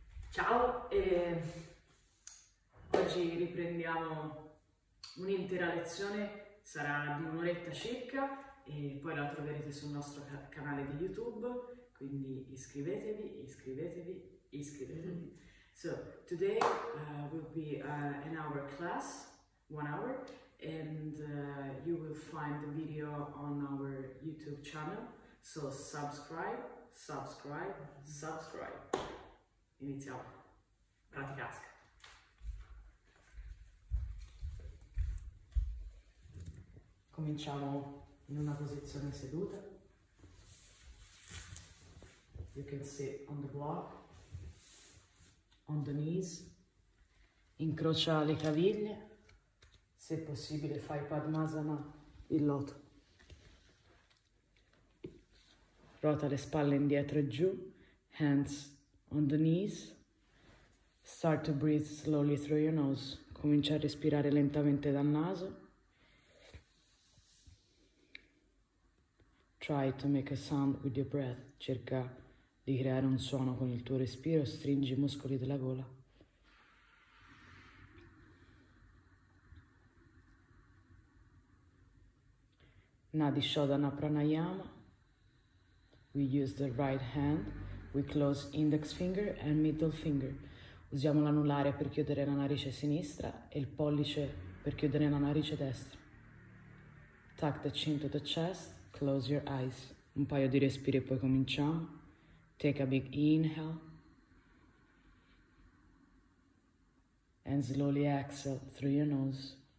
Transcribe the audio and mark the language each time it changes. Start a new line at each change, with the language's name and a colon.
Italian: Ciao, oggi riprendiamo un'intera lezione, sarà di un'oretta circa e poi la troverete sul nostro canale di YouTube, quindi iscrivetevi, iscrivetevi, iscrivetevi.
English: So, today will be an hour class, 1 hour, and you will find the video on our YouTube channel, so subscribe, subscribe, subscribe.
Italian: Iniziamo.
English: Praticasca.
Italian: Cominciamo in una posizione seduta.
English: You can sit on the block, on the knees.
Italian: Incrocia le caviglie. Se possibile, fai Padmasana, il loto. Ruota le spalle indietro e giù.
English: Hands on the knees. Start to breathe slowly through your nose.
Italian: Comincia a respirare lentamente dal naso.
English: Try to make a sound with your breath.
Italian: Cerca di creare un suono con il tuo respiro. Stringi i muscoli della gola.
English: Nadi Shodhana Pranayama. We use the right hand. We close index finger and middle finger.
Italian: Usiamo l'anulare per chiudere la narice sinistra e il pollice per chiudere la narice destra.
English: Tuck the chin to the chest, close your eyes.
Italian: Un paio di respiri e poi cominciamo.
English: Take a big inhale. And slowly exhale through your nose.